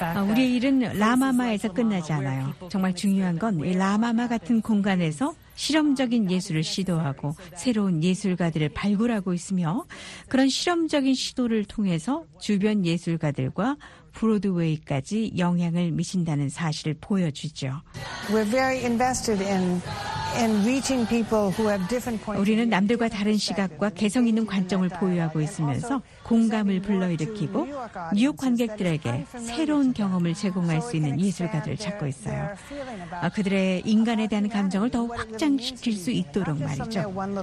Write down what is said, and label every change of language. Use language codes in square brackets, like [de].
[ko] 우리의 일은 라마마에서 끝나지 않아요. 정말 중요한 건 이 라마마 같은 공간에서 실험적인 예술을 시도하고 새로운 예술가들을 발굴하고 있으며 그런 실험적인 시도를 통해서 주변 예술가들과 브로드웨이까지 영향을 미친다는 사실을 보여주죠. [en] We're very invested in reaching people who have different points. [ko] 우리는 남들과 다른 시각과 개성 있는 관점을 보유하고 있으면서 공감을 불러일으키고 뉴욕 관객들에게 새로운 경험을 제공할 수 있는 예술가들을 찾고 있어요. 그들의 인간에 대한 감정을 더욱 확장시킬 수 있도록 말이죠.